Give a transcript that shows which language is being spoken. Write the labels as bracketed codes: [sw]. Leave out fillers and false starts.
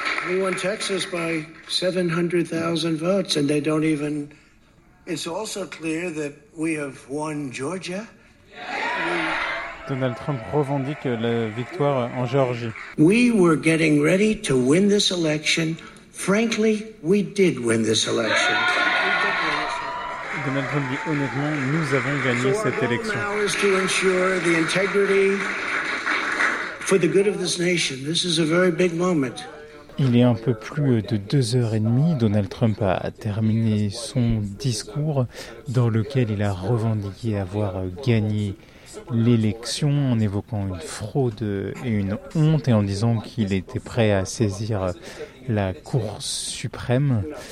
[en] We won Texas by 700,000 votes and they don't even... It's also clear that we have won Georgia. [fr] Donald Trump revendique la victoire en Géorgie. [en] We were getting ready to win this election. Frankly, we did win this election. [fr] Donald Trump dit honnêtement, nous avons gagné cette élection. [en] So our goal now is to ensure the integrity for the good of this nation. This is a very big moment. [fr] Il est un peu plus de 2h30. Donald Trump a terminé son discours dans lequel il a revendiqué avoir gagné l'élection, en évoquant une fraude et une honte et en disant qu'il était prêt à saisir la Cour suprême.